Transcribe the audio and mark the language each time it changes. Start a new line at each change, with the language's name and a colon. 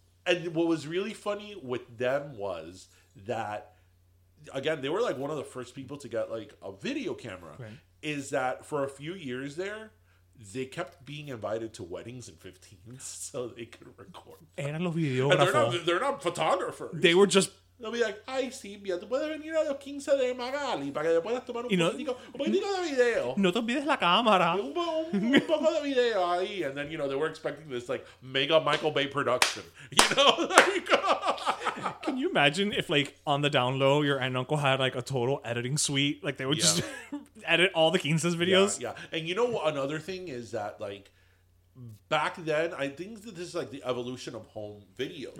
English: And what was really funny with them was that, again, they were like one of the first people to get like a video camera. Right. Is that for a few years there, they kept being invited to weddings in 15 so they could record.
Spanish: Eran los videógrafos.
English: They're not photographers. They were just. They'll be like,
Spanish: ay, sí, mira, tú puedes venir a los 15 de Magali para que te puedas tomar un poquitico de video. No te olvides la cámara. Un poco de video ahí.
English: And then, you know, they were expecting this, like, mega Michael Bay production. You know? Like, can you imagine if, like, on the down low, your aunt and uncle had, like, a total editing suite? Like, they would just edit all the 15 videos? Yeah, yeah. And you know, another thing is that, like, back then, I think that this is, like, the evolution of home videos.